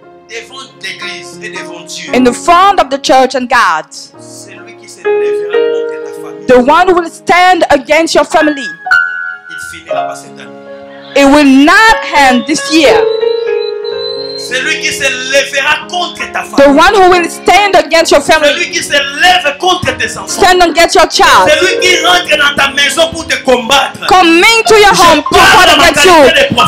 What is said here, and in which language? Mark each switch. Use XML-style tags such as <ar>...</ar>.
<en>In the front of the church and God, the one who will stand against your family, it will not end this year.</en> <fr>Celui qui se lèvera contre ta femme.</fr> <en>The one who will stand against your family.</en> <fr>Celui qui se lève contre tes enfants.</fr> <en>Stand against your child.</en> <fr>Celui qui rentre dans ta maison pour te combattre.</fr> <en>Come into your home to fight against you.</en>